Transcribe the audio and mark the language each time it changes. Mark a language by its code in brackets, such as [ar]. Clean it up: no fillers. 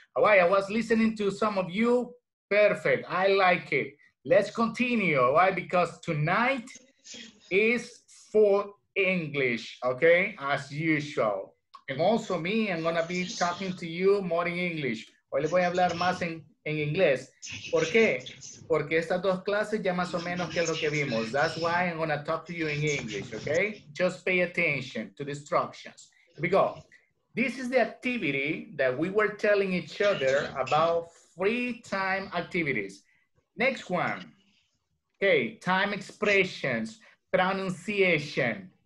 [en] All right, I was listening to some of you. Perfect. I like it. Let's continue. All right, because tonight is for English, okay, as usual. And also me, I'm going to be talking to you more in English. [es] Hoy le voy a hablar más en inglés. ¿Por qué? Porque estas dos clases ya más o menos que es lo que vimos. [en] That's why I'm going to talk to you in English, okay? Just pay attention to the instructions. Here we go. This is the activity that we were telling each other about free time activities. Next one. Okay, time expressions, pronunciation.